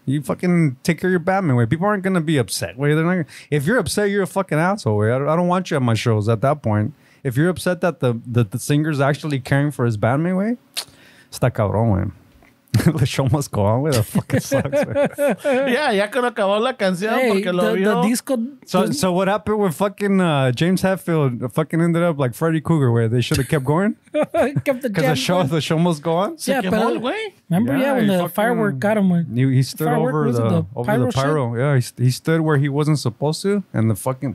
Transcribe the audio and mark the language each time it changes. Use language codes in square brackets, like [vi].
[en] You fucking take care of your Batman, way. People aren't going to be upset, way. They're not. If you're upset, you're a fucking asshole, way. I don't want you at my shows at that point. If you're upset that the singer's actually caring for his Batman, way, [es] está cabrón, [en] way. The show must go on with the fucking sucks. [es] Yeah, ya que no acabó la canción porque lo vio. [en] So what happened with fucking James Hetfield fucking ended up like Freddy Krueger where they should have kept going? Kept the jam. Because the show must go on? Yeah, but remember, when the firework got him? He stood over the pyro. Shit? Yeah, he stood where he wasn't supposed to and the fucking